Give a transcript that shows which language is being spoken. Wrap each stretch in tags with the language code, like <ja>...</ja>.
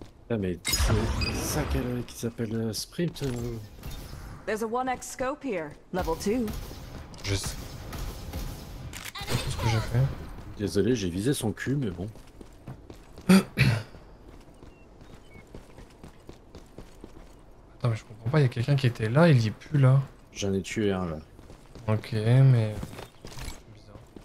<fr>Ah, mais c'est ça qui s'appelle Sprint.</fr> <en>There's a 1x scope here, level 2.</en> <fr>Je sais. Qu'est-ce que j'ai fait? Désolé, j'ai visé son cul, mais bon. Attends, mais je comprends pas, y'a quelqu'un qui était là, il y est plus là. J'en ai tué un là. Ok, mais. C'est bizarre.</fr>